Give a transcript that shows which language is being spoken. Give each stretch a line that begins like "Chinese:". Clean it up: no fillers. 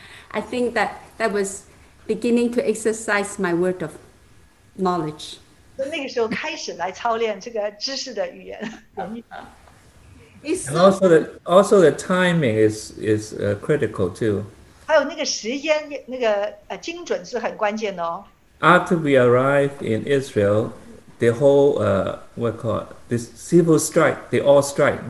English: I think that that was beginning to exercise my word of knowledge.
Chinese: 那个时候开始来操练这个知识的语言。
English: And also the timing is critical too.
Chinese: 还有那个时间,那个精准是很关键的哦。
English: After we arrived in Israel, the whole this civil strike, they all strike.